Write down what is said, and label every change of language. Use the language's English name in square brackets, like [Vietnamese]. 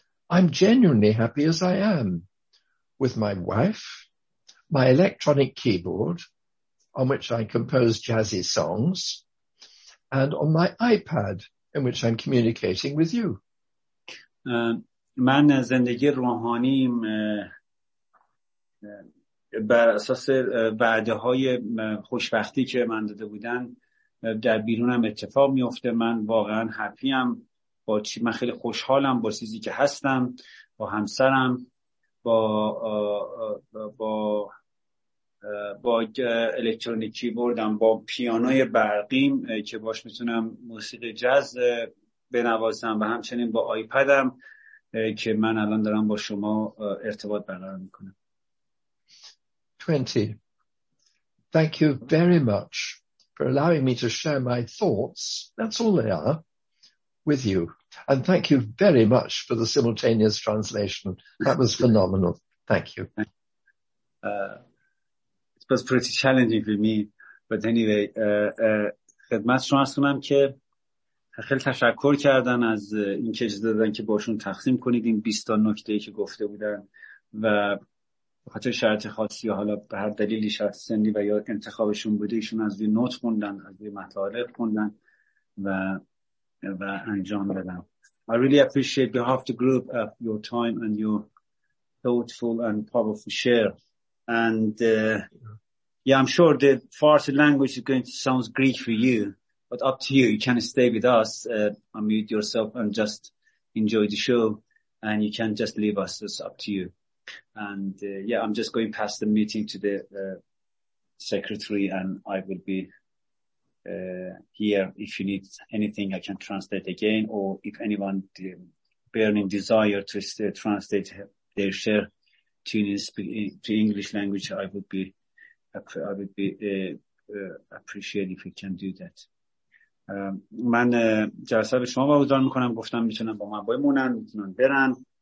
[English] I'm genuinely happy as I am, with my wife, my electronic keyboard, on which I compose jazzy songs, and on my iPad in which I'm communicating with you. [Persian] من زندگی روحانیم بر اساس وعده های خوشبختی که من داده بودن در بیرونم اتفاق میفته. من واقعا هپیم با چی، من خیلی خوشحالم با چیزی که هستم، با همسرم، با الکترونیک کیبوردم، با پیانوی برقیم که باش میتونم موسیقی جاز بنوازم، و همچنین با آیپدم که من الان دارم با شما ارتباط برقرار میکنم. [English] 20. Thank you very much for allowing me to share my thoughts, that's all they are, with you. And thank you very much for the simultaneous translation. That was phenomenal. Thank you. It was pretty challenging for me. But anyway, [Persian] خدمت شما عرض کنم که خیلی تشکر کردن از این که اجازه دادن که باشون تقسیم کنید این 20 تا نکته که گفته بودن، و حتی شرط خاصی یا حالا به هر دلیلی شرط سنی و یا انتخابشون بوده، ایشون از روی نوت خوندن، از روی مطالب خوندن و انجام دادن. [English] I really appreciate behalf the group of your time and your thoughtful and powerful share. And yeah, I'm sure the Farsi language is going to sound Greek for you, but up to you. You can stay with us, unmute yourself and just enjoy the show, and you can just leave us. It's up to you. And yeah, I'm just going past the meeting to the secretary, and I will be here if you need anything. I can translate again, or if anyone burning desire to translate their share to English language, I would be appreciate if you can do that. [Persian] من جلسه به شما واگذار میکنم. گفتم میتونم با من بمونن، میتونن برن.